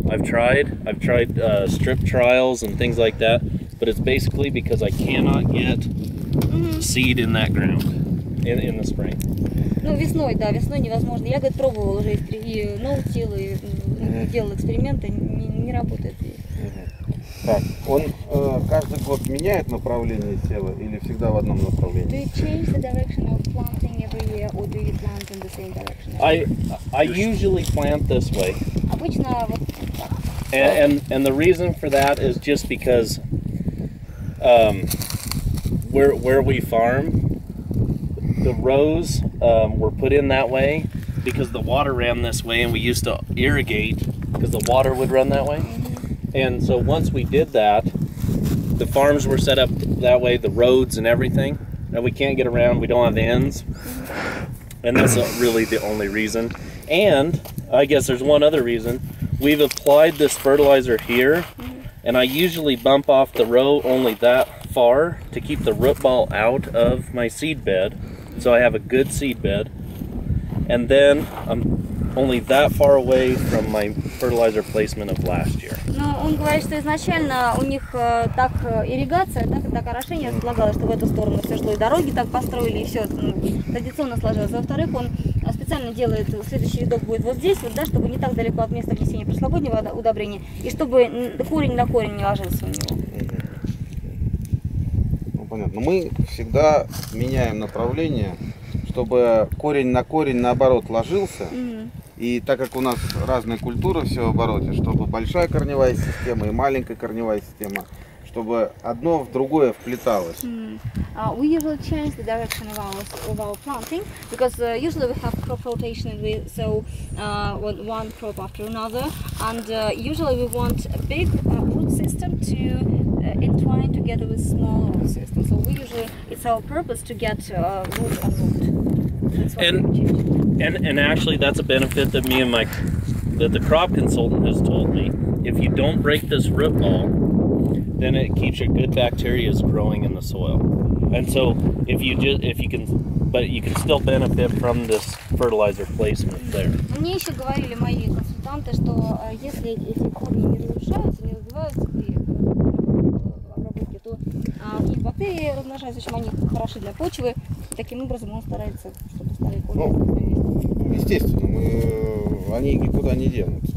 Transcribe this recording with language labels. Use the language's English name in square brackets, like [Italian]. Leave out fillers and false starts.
[English] I've tried strip trials and things like that, but it's basically because I cannot get seed in that ground in the spring. [Russian] Ну, весной, да, весной невозможно. Я, говорит, пробовала уже и no-till, и делала эксперименты, не работает. Так, он каждый год меняет направление тела или всегда в одном направлении? [English] Do you change the direction of planting every year or do you plant in the same direction? I usually plant this way. [Russian] Обычно вот так. [English] And the reason for that is just because where we farm, the rows were put in that way because the water ran this way and we used to irrigate because the water would run that way. And so once we did that, the farms were set up that way, the roads and everything. And we can't get around, we don't have ends. And that's really the only reason. And I guess there's one other reason. We've applied this fertilizer here, and I usually bump off the row only that far to keep the root ball out of my seed bed. So I have a good seed bed. And then I'm only that far away from my fertilizer placement of last year. [Russian] Но он говорит, что изначально у них так ирригация, так орошение располагалось, что в эту сторону все шло, и дороги так построили, и все традиционно сложилось. Во-вторых, он специально делает, следующий рядок будет вот здесь, вот, да, чтобы не так далеко от места внесения прошлогоднего удобрения, и чтобы корень на корень не ложился у него. Ну, понятно. Мы всегда меняем направление, чтобы корень на корень наоборот ложился. И так как у нас разные культуры все в обороте, чтобы большая корневая система и маленькая корневая система, чтобы одно в другое вплеталось. [English] We usually change the direction of our planting because usually we have crop rotation and one crop after another, and usually we want a big root system to entwine together with smaller root system. So we usually it's our purpose to get root on root. And actually, that's a benefit that the crop consultant has told me. If you don't break this root ball, then it keeps your good bacteria growing in the soil. And so, you can still benefit from this fertilizer placement there. [Russian] Мне еще говорили мои консультанты, что если корни не разрушаются, не развиваются при обработке, то и бактерии размножаются, чем они хороши для почвы. Таким образом, он старается, чтобы стали корни. Естественно, они никуда не денутся.